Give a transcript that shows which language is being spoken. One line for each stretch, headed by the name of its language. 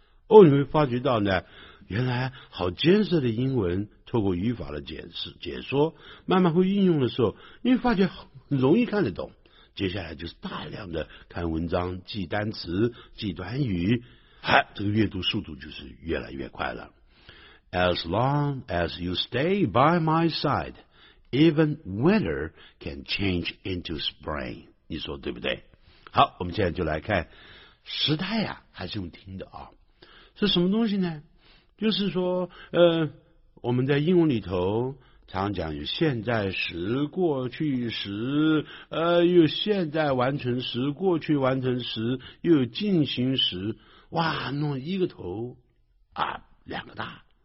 Chinese: 哦，你会发觉到呢，原来好艰涩的英文，透过语法的解释解说，慢慢会应用的时候，你会发觉很容易看得懂。接下来就是大量的看文章，记单词，记短语，哎，这个阅读速度就是越来越快了。
English: As long as you stay by my side, even winter can change into spring.
Chinese: 你说对不对？好，我们现在就来看时态啊，还是用听的啊。是什么东西呢？就是说我们在英文里头常讲有现在时、过去时，有现在完成时、过去完成时，又有进行时，哇，弄一个头啊两个大。